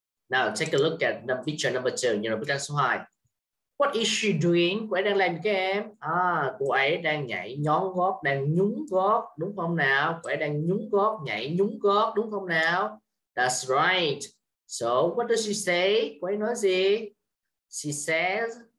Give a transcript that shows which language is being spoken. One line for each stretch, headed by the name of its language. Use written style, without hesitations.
English: Now, take a look at the picture number two. You know,
Vietnamese: bức tranh số 2.
English: What is she doing?
Vietnamese: Cô ấy đang làm cái em? À, cô ấy đang nhảy nhón gót, đang nhún gót, đúng không nào? Cô ấy đang nhún gót, nhảy nhún gót, đúng không nào?
English: That's right. So, what does she say?
Vietnamese: Cô ấy nói gì?
English: She says,